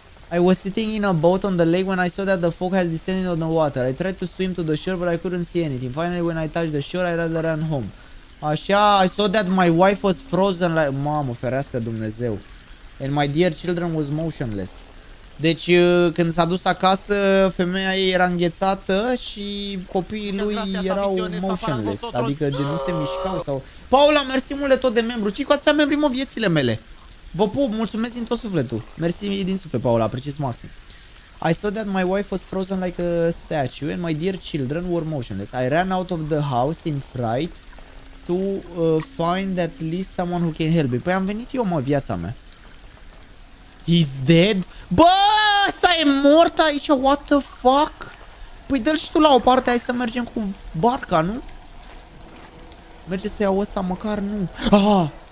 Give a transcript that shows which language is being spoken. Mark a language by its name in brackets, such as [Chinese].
[English] I was sitting in a boat on the lake when I saw that the fog has descended on the water. I tried to swim to the shore, but I couldn't see anything. Finally, when I touched the shore, I rather ran home. [Romanian] Așa, [English] I saw that my wife was frozen like... [Romanian] Mamă, ferească Dumnezeu. [English] And my dear children was motionless. [Romanian] Deci, când s-a dus acasă, femeia ei era înghețată și copiii lui erau motionless. Adică, de nu se mișcau sau... Paula, mersi mult de tot de membru. Ce-i cu ați membrii, mă, viețile mele? Vă pup, mulțumesc din tot sufletul. Mersi din suflet, Paula, apreciez maxim. [English] I saw that my wife was frozen like a statue and my dear children were motionless. I ran out of the house in fright to find at least someone who can help me. [Romanian] Păi am venit eu, mă, viața mea. [English] He's dead? [Romanian] Bă, ăsta e mort aici, [English] what the fuck? [Romanian] Păi dă-l și tu la o parte, hai să mergem cu barca, nu? Merge să iau ăsta, măcar nu. Ah!